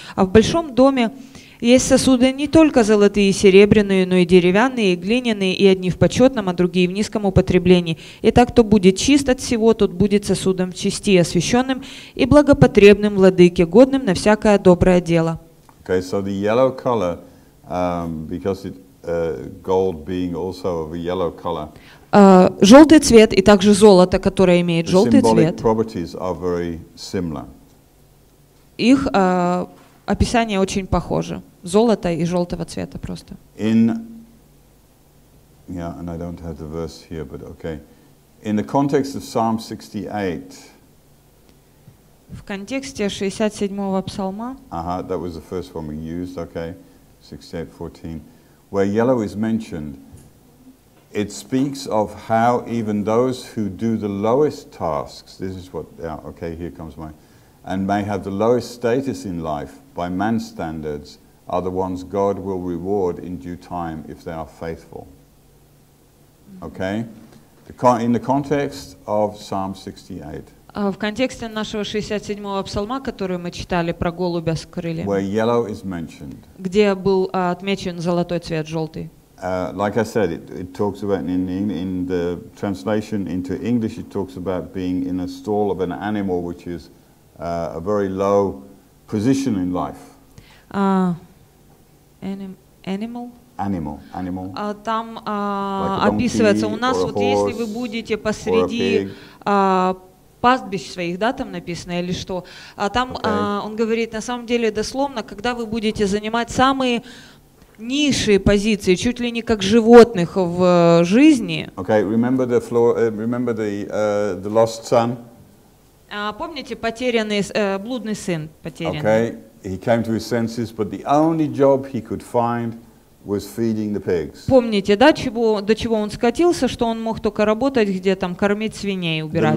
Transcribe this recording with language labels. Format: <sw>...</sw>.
<ru>А в большом доме есть сосуды не только золотые и серебряные, но и деревянные, и глиняные, и одни в почетном, а другие в низком употреблении. И так, кто будет чист от всего, тот будет сосудом в чести, освященным и благопотребным владыке, годным на всякое доброе дело».</ru> <en>Okay, so the yellow color, because it gold being also of a yellow color.</en> <ru>Желтый цвет и также золото, которое имеет желтый цвет.</ru> <en>The symbolic properties are very similar.</en> <ru>Их описание очень похоже. Золото и желтого цвета просто.</ru> <en>In yeah, and I don't have the verse here, but okay. In the context of Psalm 68.</en> <ru>В контексте 67-го псалма.</ru> <en>Ага, that was the first one we used, okay, 68:14, where yellow is mentioned. It speaks of how even those who do the lowest tasks, this is what, yeah, okay, here comes my, and may have the lowest status in life by man's standards, are the ones God will reward in due time if they are faithful. Okay, in the context of Psalm 68.</en> <ru>В контексте нашего 67-го псалма, который мы читали про голубя с крыльями, где был отмечен золотой цвет, желтый.</ru> <en>Like I said, it talks about in the translation into English, it talks about being in a stall of an animal, which is a very low position in life. Animal. Animal.</en> <ru>Там описывается. У нас вот если вы будете посреди пастбищ своих, да, там написано, или что. А там он говорит, на самом деле, дословно, когда вы будете занимать самые низшие позиции, чуть ли не как животных в жизни.</ru> <en>Okay, remember the floor, remember the lost son?</en> <ru>Помните потерянный, блудный сын потерянный?</ru> <en>Okay, he came to his senses, but the only job he could find was feeding the pigs.</en> <ru>Помните, да, до чего он скатился, что он мог только работать, где там кормить свиней, убирать.</ru>